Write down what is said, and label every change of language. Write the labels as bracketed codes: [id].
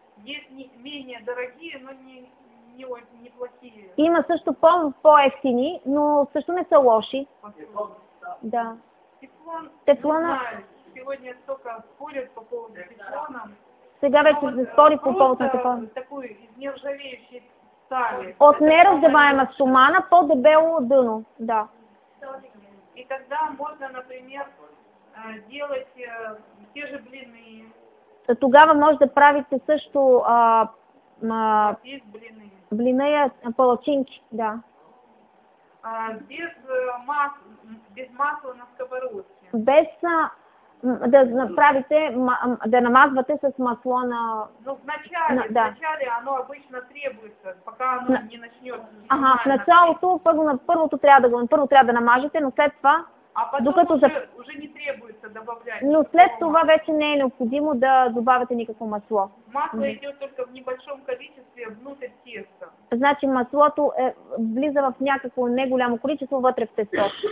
[ru] Есть не, менее дорогие, но не неплохие. [bg] Има също по-ефтини, но също не са лоши. [ru] Теплон. Да. Теплон. Теплона... Не знаю, сегодня столько спорят по поводу теплона. [bg] Сега вече се спори по поводу теплона. [ru] Такой из нержавеющей стали. [bg] От нераздаваема стомана по-дебело дъно. Да. [ru] И тогда можно, например, делать те же блины. [bg] Тогава можете править също [ru] блины. [bg] Блины, палачинки, да. [ru] Без масла на сковородке. [bg] Без да намазвате с масло на... [ru] Ну, вначале оно обычно требуется, пока оно не начнет. [bg] Ага, в началото, първо трябва да намажете, но след това... [ru] А потом [bg] докато [ru] уже не требуется добавлять. [bg] Но след това вече не е необходимо да добавяте никакво масло. [ru] Масло идет только в небольшом количестве внутрь теста. [bg] Значи маслото е влиза в някакво неголямо количество вътре в тесто.